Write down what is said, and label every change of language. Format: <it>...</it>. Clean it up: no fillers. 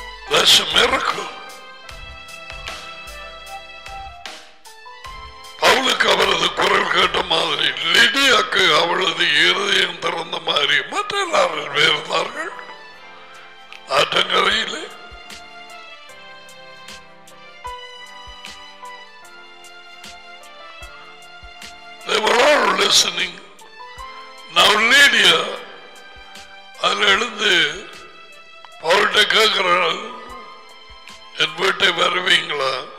<en>That's a miracle.</en> <ta>பவுலுக்கு அவரது குரல் கேட்ட மாதிரி, லிடியாக்கு அவளது இருதயம் திறந்த மாதிரி மற்ற எல்லாரும் பேர்ந்தார்கள். ஆற்றங்கரையில்</ta> <en>They were all listening.</en> <ta>Now Lydia, அதில் எழுந்து அவர்கிட்ட கேட்கிறாள், என் வீட்டை வருவீங்களா?</ta>